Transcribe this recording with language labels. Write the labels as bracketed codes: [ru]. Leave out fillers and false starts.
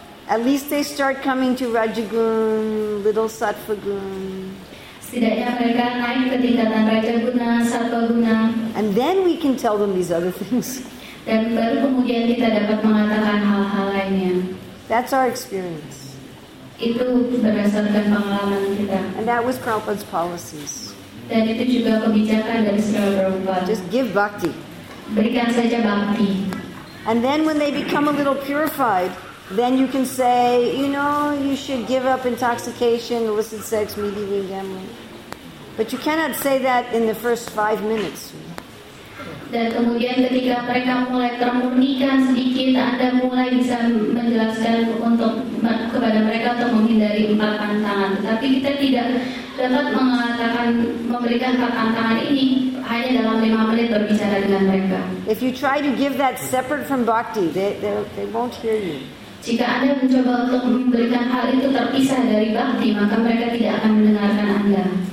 [en] At least they start coming to rajagun, little sattvagun. [id] Setidaknya mereka naik ke tingkatan rajaguna, sattvaguna. [en] And then we can tell them these other things. [id] Dan baru kemudian kita dapat mengatakan hal-hal lainnya. [en] That's our experience. [id] Itu berdasarkan pengalaman kita. [en] And that was Prabhupada's policies. [id] Dan itu juga kebijakan dari Sri Prabhupada. [en] Just give bhakti. [id] Berikan saja bhakti. [en] And then when they become a little purified, then you can say, you know, you should give up intoxication, illicit sex, meat eating, gambling. But you cannot say that in the first 5 minutes. [id] Dan kemudian ketika mereka mulai termurnikan sedikit, Anda mulai bisa menjelaskan kepada mereka untuk menghindari 4 tantangan. Tapi kita tidak dapat memberikan 4 tantangan ini hanya dalam 5 menit berbicara dengan mereka. [en] If you try to give that separate from bhakti, they won't hear you. [id] Jika Anda mencoba untuk memberikan hal itu terpisah dari bhakti, maka mereka tidak akan mendengarkan Anda.